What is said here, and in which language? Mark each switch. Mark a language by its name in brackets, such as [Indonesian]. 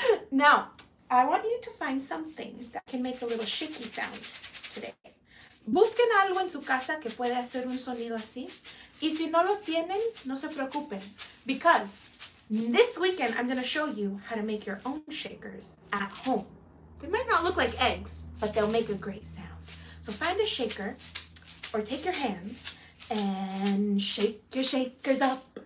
[English] Now, I want you to find something that can make a little shaky sound today. [Spanish] Busquen algo en su casa que puede hacer un sonido así. Y si no lo tienen, no se preocupen. [English] Because this weekend, I'm going to show you how to make your own shakers at home. They might not look like eggs, but they'll make a great sound. So find a shaker or take your hands and shake your shakers up.